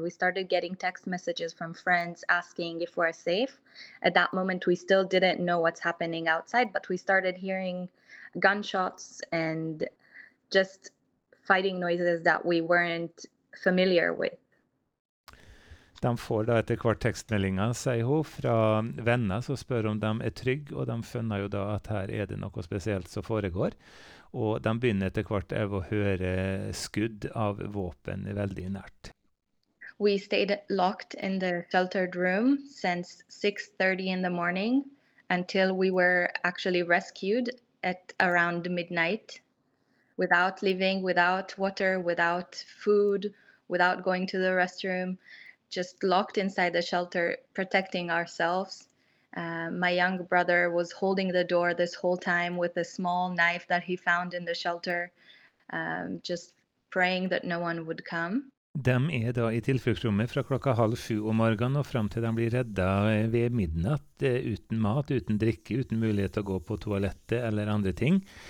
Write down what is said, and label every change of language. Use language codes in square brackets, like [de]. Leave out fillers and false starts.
[en] We started getting text messages from friends asking if we're safe. At that moment, we still didn't know what's happening outside, but we started hearing gunshots and just fighting noises that we weren't familiar with. [no] De får da etter hvert tekstmeldinger, sier hun, fra venner som spør om de er trygge, og de skjønner jo da at her er det noe spesielt som foregår. Og de begynner etter hvert å høre skudd av våpen veldig nært. [en] We stayed locked in the sheltered room since 6:30 in the morning until we were actually rescued at around midnight, without living, without water, without food, without going to the restroom. Just locked inside the shelter, protecting ourselves. My young brother was holding the door this whole time with a small knife that he found in the shelter, just praying that no one would come. [no] De er da i tilfluktsrommet fra klokka 6:30 om morgenen og frem til de blir redda ved midnatt, uten mat, uten drikke, uten mulighet til å gå på toalettet eller andre ting.